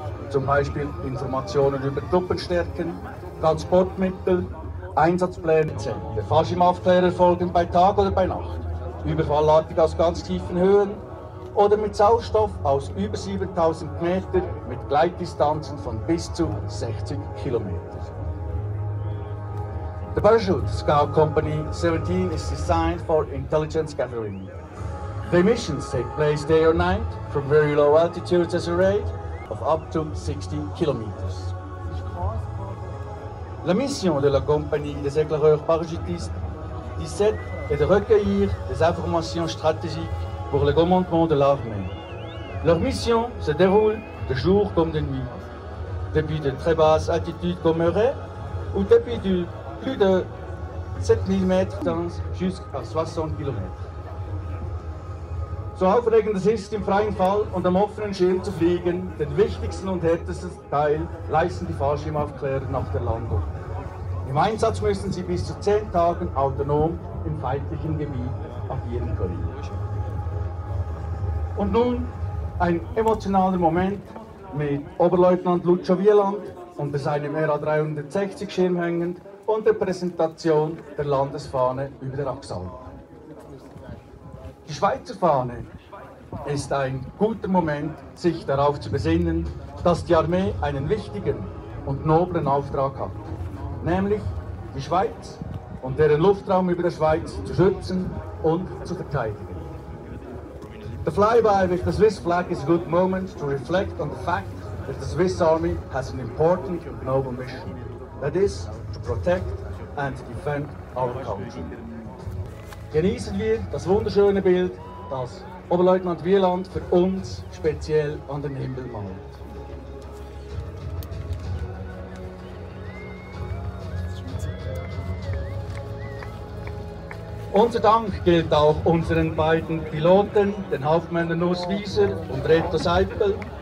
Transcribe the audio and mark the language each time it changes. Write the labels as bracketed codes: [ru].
[de] Zum Beispiel Informationen über Truppenstärken, Transportmittel, Einsatzpläne etc. Die Faschimaufklärer folgen bei Tag oder bei Nacht, überfallartig aus ganz tiefen Höhen oder mit Sauerstoff aus über 7000 Meter mit Gleitdistanzen von bis zu 60 Kilometern. [en] The Parachute Scout Company 17 is designed for intelligence gathering. The missions take place day or night from very low altitudes as a raid of up to 60 kilometers. [fr] La mission de la compagnie des éclaireurs parachutistes 17 est de recueillir des informations stratégiques pour le commandement de l'armée. Leur mission se déroule de jour comme de nuit, depuis de très basses altitudes comme Euret, ou depuis de plus de 7000 mètres distance jusqu'à 60 kilometers. [de] So aufregend es ist, im freien Fall und am offenen Schirm zu fliegen, den wichtigsten und härtesten Teil leisten die Faschimaufklärer nach der Landung. Im Einsatz müssen sie bis zu 10 Tagen autonom im feindlichen Gebiet agieren können. Und nun ein emotionaler Moment mit Oberleutnant Lucio Wieland unter seinem RA 360 Schirm hängend und der Präsentation der Landesfahne über der Axalp. Die Schweizer Fahne ist ein guter Moment, sich darauf zu besinnen, dass die Armee einen wichtigen und noblen Auftrag hat, nämlich die Schweiz und deren Luftraum über der Schweiz zu schützen und zu verteidigen. [en] The flyby with the Swiss flag is a good moment to reflect on the fact that the Swiss Army has an important and noble mission, that is to protect and defend our country. [de] Genießen wir das wunderschöne Bild, das Oberleutnant Wieland für uns speziell an den Himmel malt. Unser Dank gilt auch unseren beiden Piloten, den Hauptmännern Urs Wieser und Reto Seipel.